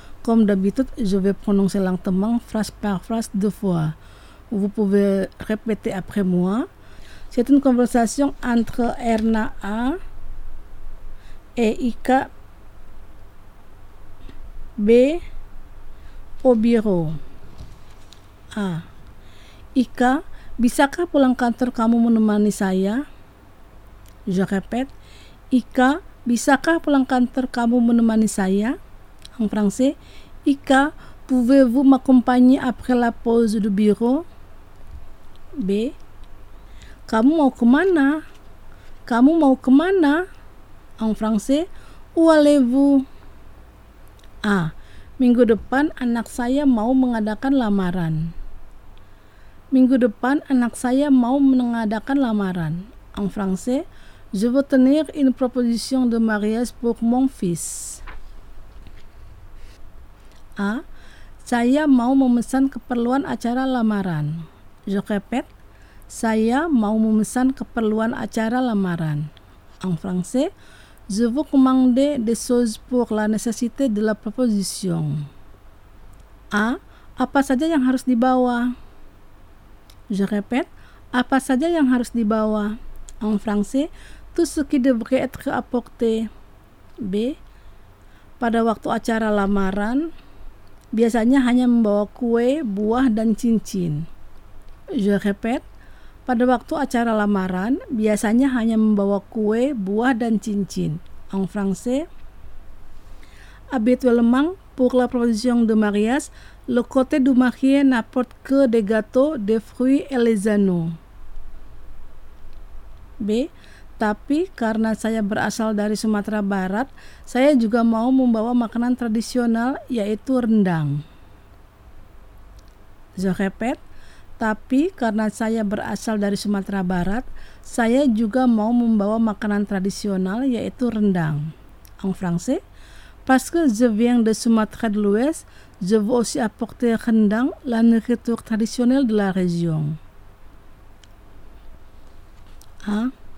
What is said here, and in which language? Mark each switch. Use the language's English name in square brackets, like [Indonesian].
[French] Comme d'habitude, je vais prononcer lentement phrase par phrase deux fois. Vous pouvez répéter après moi. C'est une conversation entre Erna A et Ika B au bureau. A. [Indonesian] Ika, bisakah pulang kantor kamu menemani saya? [French] Je répète. [Indonesian] Ika, bisakah pulang kantor kamu menemani saya? [French] En français, Ika, pouvez-vous m'accompagner après la pause du bureau? B. [Indonesian] Kamu mau kemana? Kamu mau kemana? [French] En français, où allez-vous? A. [Indonesian] Minggu depan anak saya mau mengadakan lamaran. Minggu depan anak saya mau mengadakan lamaran. [French] En français, je veux tenir une proposition de mariage pour mon fils. [Indonesian] A. Saya mau memesan keperluan acara lamaran. [French] Je répète. [Indonesian] Saya mau memesan keperluan acara lamaran. [French] En français, je veux commander des choses pour la nécessité de la proposition. A. [Indonesian] Apa saja yang harus dibawa? [French] Je répète. [Indonesian] Apa saja yang harus dibawa? [French] En français, tout ce qui devrait être apporté. [Indonesian] B. Pada waktu acara lamaran, biasanya hanya membawa kue, buah, dan cincin. [French] Je répète. [Indonesian] Pada waktu acara lamaran, biasanya hanya membawa kue, buah, dan cincin. [French] En français, habituellement, pour la proposition de mariage, le côté du marié n'apporte que des gâteaux, des fruits et les anneaux. B. [Indonesian] Tapi, karena saya berasal dari Sumatera Barat, saya juga mau membawa makanan tradisional, yaitu rendang. [French] Je répète. [Indonesian] Tapi karena saya berasal dari Sumatera Barat, saya juga mau membawa makanan tradisional yaitu rendang. [French] En français, parce que je viens de Sumatra de l'Ouest, je veux aussi apporter rendang, la nourriture traditionnelle de la région. A.